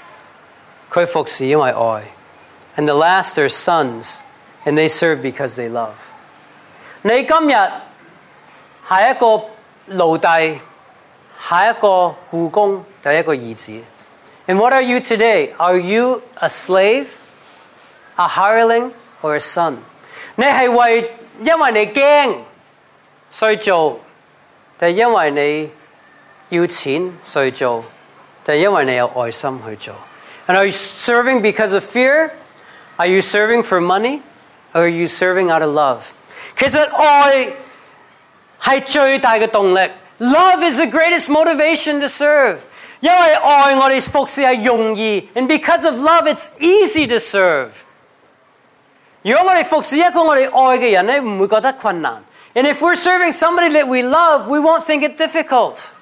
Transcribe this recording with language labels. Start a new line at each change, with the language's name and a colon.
Chinese: 最后呢，就是义子，他服侍因为爱。
English: And the last are sons. And they serve because they love.
Chinese: 你今天是一个奴隶，是一个雇工，还是一个义子？
English: And what are you today? Are you a slave, a hireling, or a son?
Chinese: 你是因为你怕所以做，还是因为你要钱所以做，还是因为你有爱心去做？
English: And are you serving because of fear? Are you serving for money? Or are you serving out of love?
Chinese: 其实爱是最大的动力。
English: Love is the greatest motivation to serve.
Chinese: 因为爱我们服侍是容易。
English: And because of love, it's easy to serve.
Chinese: 如果我们服侍一个我们爱的人，不会觉得困难。
English: And if we're serving somebody that we love, we won't think it difficult.